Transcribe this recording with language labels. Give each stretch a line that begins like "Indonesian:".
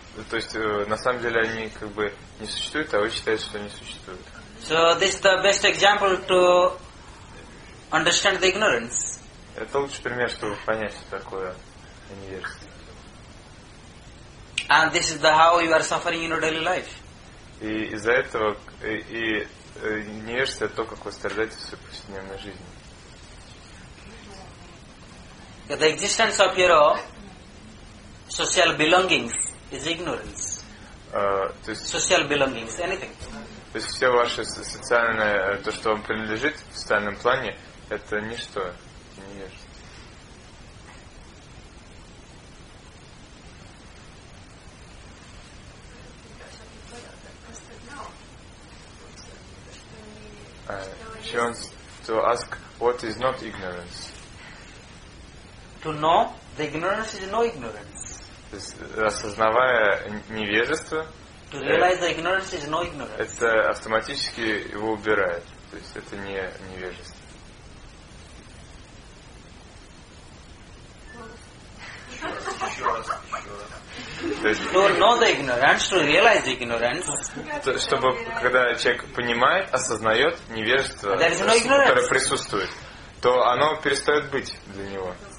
Russian: То есть на самом деле они как бы не существуют, а вы считаете, что они существуют.
English: So this is the best example to understand the ignorance.
Russian: Это лучший пример, чтобы понять, что такое невежество.
English: And this is the how you are suffering in your daily life.
Russian: И из-за этого и невежество это то, как вы страдаете в своей повседневной жизни.
English: The existence of your social belongings is ignorance.
Russian: То есть
English: social belongings, anything.
Russian: То есть все ваше социальное, то, что вам принадлежит в социальном плане, это ничто, это невежество.
English: She wants to ask, what is not ignorance? To know the ignorance is no ignorance.
Russian: То есть, осознавая невежество,
English: to realize the ignorance is no ignorance.
Russian: Это автоматически его убирает. То есть это не невежество.
English: To know the ignorance, to realize the ignorance.
Russian: Чтобы когда человек понимает, осознает невежество, которое присутствует, то оно перестает быть для него.